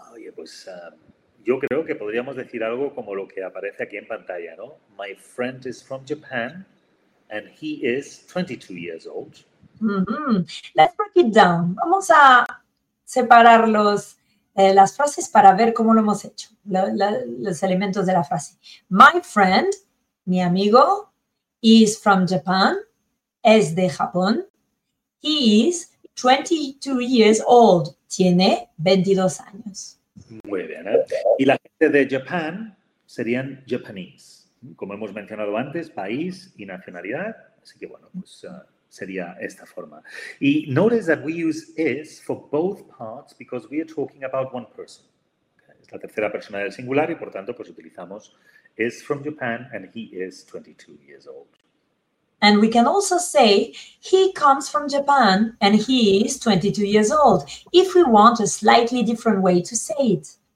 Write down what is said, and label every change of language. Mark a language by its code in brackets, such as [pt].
[es] Oye, pues yo creo que podríamos decir algo como lo que aparece aquí en pantalla, ¿no? [en] My friend is from Japan and he is 22 years old. Mm-hmm. Let's break it down. [es] Vamos a separar las frases para ver cómo lo hemos hecho, los elementos de la frase. [en] My friend, [es] mi amigo, [en] is from Japan, [es] es de Japón. [en] He is 22 years old. [es] Tiene 22 años. Muy bien, ¿eh? Y la gente de Japan serían Japanese, como hemos mencionado antes, país y nacionalidad, así que bueno, pues sería esta forma. [en] Y notice that we use is for both parts because we are talking about one person. [es] Es la tercera persona del singular y por tanto pues utilizamos [en] is from Japan and he is 22 years old. And we can also say he comes from Japan and he is 22 years old if we want a slightly different way to say it.